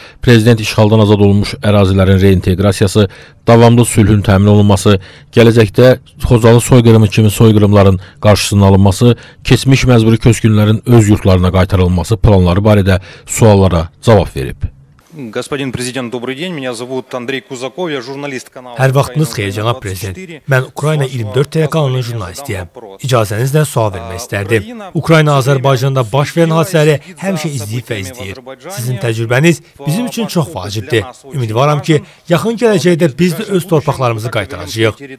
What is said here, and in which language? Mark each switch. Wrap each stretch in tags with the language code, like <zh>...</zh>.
<az>Prezident işğaldan azad olunmuş ərazilərin reinteqrasiyası, davamlı sülhün təmin olunması, gələcəkdə Xocalı soyqırımı kimi soyqırımların qarşısının alınması, keçmiş məcburi köçkünlərin öz yurtlarına qaytarılması planları barədə suallara cavab verib.</az> <ru>Господин президент, добрый день. Меня зовут Андрей Кузаков. Я журналист канала.</ru> <az>Hər vaxtınız xeyir, cənab prezident. Mən Ukrayna 24 telekanalının jurnalistiyəm. İcazənizlə sual vermək istərdim. Ukrayna Azərbaycanda baş verən hadisələri həmişə izləyib və izləyir. Sizin təcrübəniz bizim üçün çox vacibdir. Ümidvaram ki, yaxın gələcəkdə biz də öz torpaqlarımızı qaytaracağıq.</az>